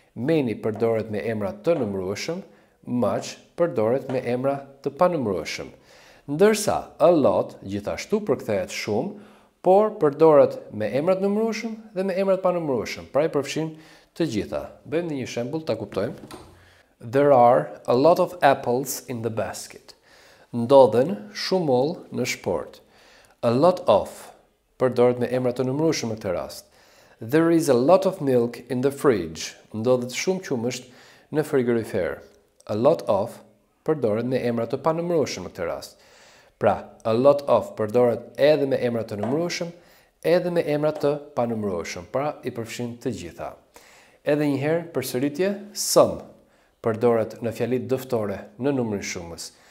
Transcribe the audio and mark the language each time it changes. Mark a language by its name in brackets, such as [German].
[Albanian] Many përdoret me emra të numërueshëm, much përdoret me emra të panumërueshëm. Ndërsa a lot gjithashtu përkthehet shumë, por përdoret me emrat numërueshëm dhe me emrat panumërueshëm, pra I përfshin të gjitha. Bëjmë një shembull ta kuptojmë. [English] There are a lot of apples in the basket. [Albanian] Ndodhen shumë ull në shport. A lot of përdoret me emrat të numërueshëm në këtë rast. [English] There is a lot of milk in the fridge. [Albanian] Ndodhet shumë qumësht në frigorifer. A lot of përdoret me emrat të panumërueshëm në këtë rast. Pra, a lot of përdoret edhe me emrat të numërueshëm, edhe me emrat të panumërueshëm, pra I përfshin të gjitha. Edhe njëherë, përsëritje, some përdoret në fjalit dëftore në numërin shumës.